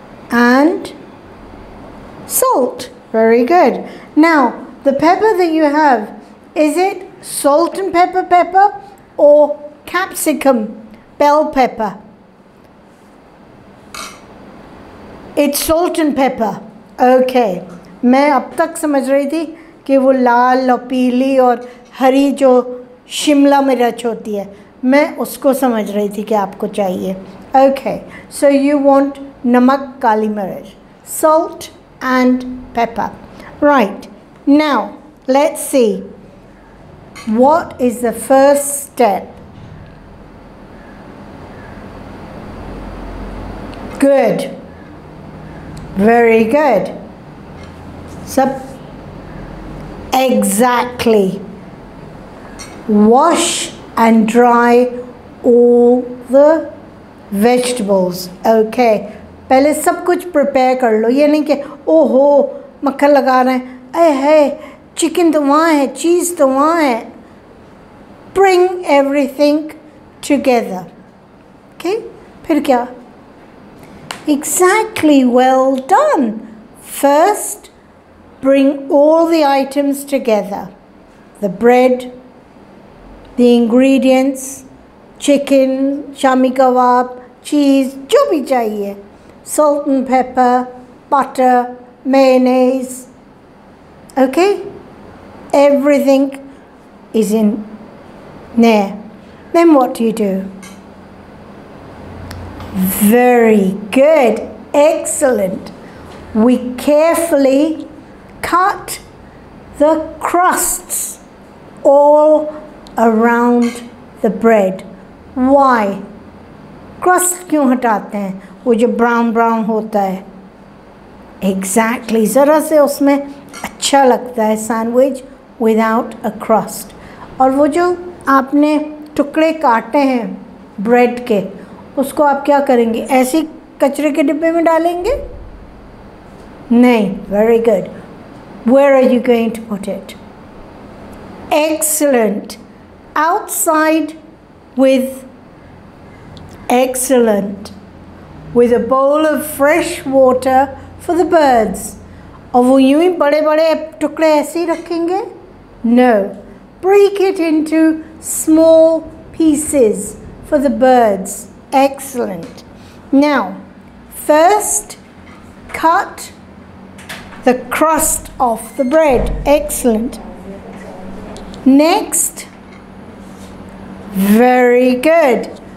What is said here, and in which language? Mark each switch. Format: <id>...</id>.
<en>And salt. Very good. Now, the pepper that you have, is it salt and pepper or capsicum bell pepper? It's salt and pepper. Okay.</en> <hi>मैं अब तक समझ रही थी कि वो लाल और पीली और हरी जो शिमला मिर्च होती है। मैं उसको समझ रही थी कि आपको चाहिए।</hi> <en>Okay. So you want</en> <hi>namak kali mirch,</hi> <en>salt and pepper. Right. Now, let's see. What is the first step? Good. Very good. So, exactly. Wash and dry all the vegetables. Okay.</en> <hi>पहले सब कुछ prepare कर लो। ये नहीं कि ओह हो मक्खन लगा रहे है। हे, चिकन तो वहाँ है, चीज़ तो वहाँ है।</hi> <en>Bring everything together. Okay?</en> <hi>Phir kya?</hi> <en>Exactly, well done. First, bring all the items together. The bread, the ingredients, chicken, shami kebab, cheese,</en> <hi>jo bhi chahiye.</hi> <en>Salt and pepper, butter, mayonnaise. Okay? Everything is in there. Then what do you do? Very good. Excellent. We carefully cut the crusts all around the bread. Why?</en> <hi>Crust क्यों हटाते हैं? वो जो brown होता है।</hi> <en>Exactly.</en> <hi>ज़रा से उसमे अच्छा लगता है</hi> <en>sandwich without a crust.</en> <hi>और वो जो आपने टुकड़े काटे हैं ब्रेड के, उसको आप क्या करेंगे? ऐसे कचरे के डिब्बे में डालेंगे? Nahi.</hi> <en>Very good. Where are you going to put it? Excellent. Outside with excellent. With a bowl of fresh water for the birds.</en> <hi>और वो यूँ ही बड़े बड़े टुकड़े ऐसे ही रखेंगे?</hi> <en>No. Break it into small pieces for the birds. Excellent. Now, first, cut the crust off the bread. Excellent. Next, very good.</en>